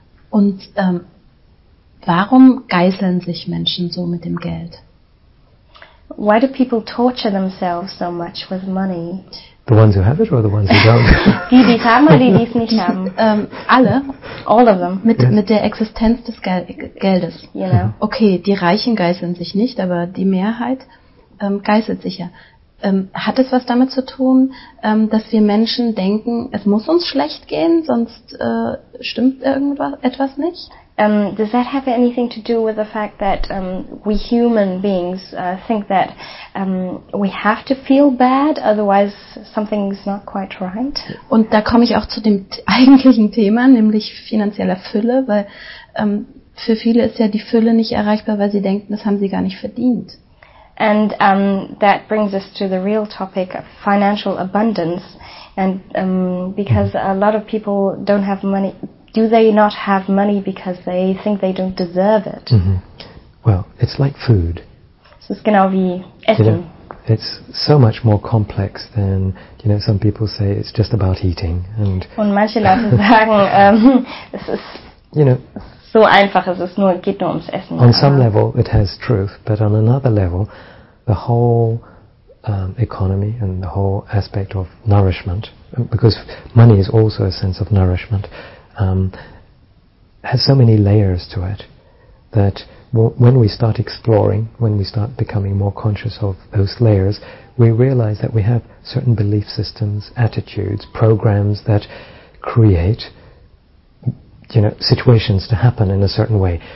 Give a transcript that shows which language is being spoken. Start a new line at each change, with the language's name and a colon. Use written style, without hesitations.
German: Und warum geißeln sich Menschen so mit dem Geld?
English: Why do people torture themselves so much with money? The ones who have it or the ones who don't?
German: Die, die es haben oder die, die es nicht haben? Alle.
English: All of them.
German: Mit der Existenz des Geldes.
English: You know?
German: Okay, die Reichen geißeln sich nicht, aber die Mehrheit geißelt sich ja. Hat es was damit zu tun, dass wir Menschen denken, es muss uns schlecht gehen, sonst stimmt irgendwas etwas nicht?
English: Does that have anything to do with the fact that we human beings think that we have to feel bad, otherwise something's not quite right?
German: Und da komme ich auch zu dem eigentlichen Thema, nämlich finanzieller Fülle, weil für viele ist ja die Fülle nicht erreichbar, weil sie denken, das haben sie gar nicht verdient.
English: And that brings us to the real topic of financial abundance. And because a lot of people don't have money, do they not have money because they think they don't deserve it? Well, it's like food.
German: Es ist genau wie Essen.
English: It's so much more complex than, some people say it's just about eating.
German: Und manche Leute sagen, es ist so einfach, es ist nur, geht nur ums Essen.
English: On some level it has truth, but on another level the whole economy and the whole aspect of nourishment, because money is also a sense of nourishment, has so many layers to it that when we start exploring, when we start becoming more conscious of those layers, we realize that we have certain belief systems, attitudes, programs that create situations to happen in a certain way.